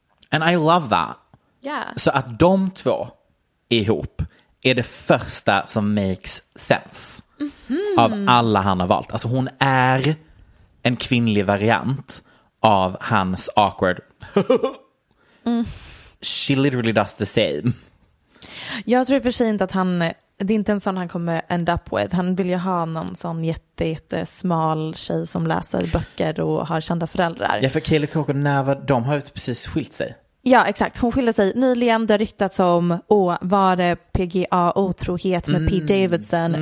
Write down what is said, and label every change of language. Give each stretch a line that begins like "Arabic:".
English: And I love that. Yeah.
Swedish: Så att de två ihop är det första som
English: makes sense. Mm-hmm.
Swedish: Av alla han har valt. Alltså hon är en kvinnlig variant av hans awkward...
English: She literally does the same.
Swedish: Jag tror för sig inte att han... Det är inte en sån han kommer
English: end up with.
Swedish: Han vill ju ha någon sån jättesmal tjej som läser böcker och har kända föräldrar. Ja, för Kaylee Cuoco och Nava, de har ju precis skilt sig. Ja, exakt. Hon skilde sig nyligen. Det har ryktats om, var det PGA-otrohet med Pete Davidson? Mm.